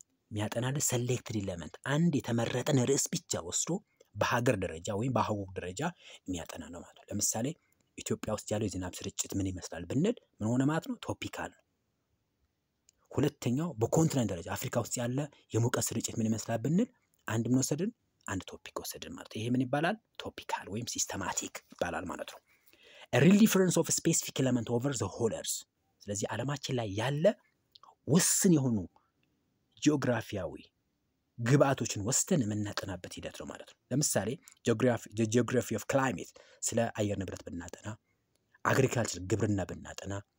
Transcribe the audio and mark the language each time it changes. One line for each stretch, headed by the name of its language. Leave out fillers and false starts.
Amharic: የሚያጠናል selected element አንድ የተመረጠ ንርስ ብቻ ወስዶ በሀገር ደረጃ ወይም በአህጉር ደረጃ የሚያጠና ነው ማለት ነው። ለምሳሌ ኢትዮጵያ ውስጥ ያለው የዝናብ ስርጭት ምን ይመስላል ብንል ምን ሆነ ማለት ነው? ቶፒካል ነው። ሁለተኛው በኮንቲነንት ደረጃ አፍሪካ ውስጥ ያለ የሙቀት ስርጭት ምን ይመስላል ብንል አንድ ምን ወሰድን? አንድ ቶፒክ ወሰድን ማለት ነው። ይሄ ምን ይባላል? ቶፒካል ወይም ሲስተማቲክ ይባላል ማለት ነው።
English: A real difference of a specific element over the whole earth.
Amharic: ስለዚህ ዓለማችን ላይ ያለ ውስን የሆኑ ጂኦግራፊያዊ ግብአቶችን ወስደን የምናጠናበት ሂደት ነው ማለት ነው። ለምሳሌ ጂኦግራፊ ኦፍ ክላይሜት ስለ አየር ንብረት ብናጠና፣ አግሪካልቸር ግብርና ብናጠና፣